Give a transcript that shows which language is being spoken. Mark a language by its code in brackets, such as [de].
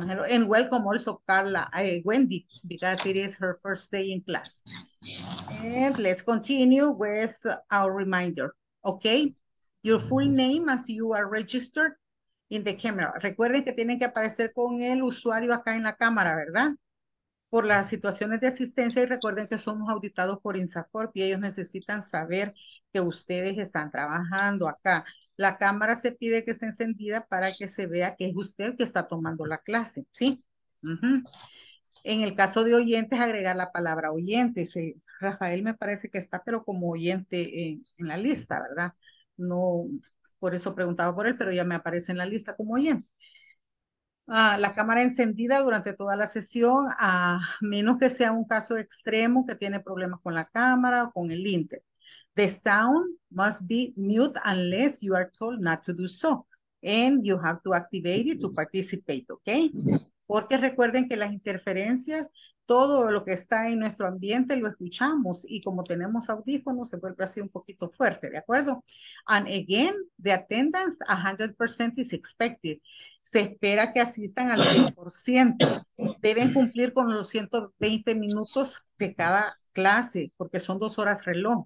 [en] And welcome also Carla, Wendy, because it is her first day in class. And let's continue with our reminder. Okay. Your full name as you are registered in the camera. [es] Recuerden que tienen que aparecer con el usuario acá en la cámara, ¿verdad? Por las situaciones de asistencia, y recuerden que somos auditados por INSACORP y ellos necesitan saber que ustedes están trabajando acá. La cámara se pide que esté encendida para que se vea que es usted que está tomando la clase, ¿sí? En el caso de oyentes, agregar la palabra oyente. Sí. Rafael me parece que está, pero como oyente en la lista, ¿verdad? No, por eso preguntaba por él, pero ya me aparece en la lista como oyente. La cámara encendida durante toda la sesión, a menos que sea un caso extremo que tiene problemas con la cámara o con el inter. [en] The sound must be mute unless you are told not to do so. And you have to activate it to participate, ¿ok? [es] Porque recuerden que las interferencias, todo lo que está en nuestro ambiente lo escuchamos. Y como tenemos audífonos, se vuelve así un poquito fuerte, ¿de acuerdo? [en] And again, the attendance 100% is expected. [es] Se espera que asistan al 100%. Deben cumplir con los 120 minutos de cada clase, porque son 2 horas reloj.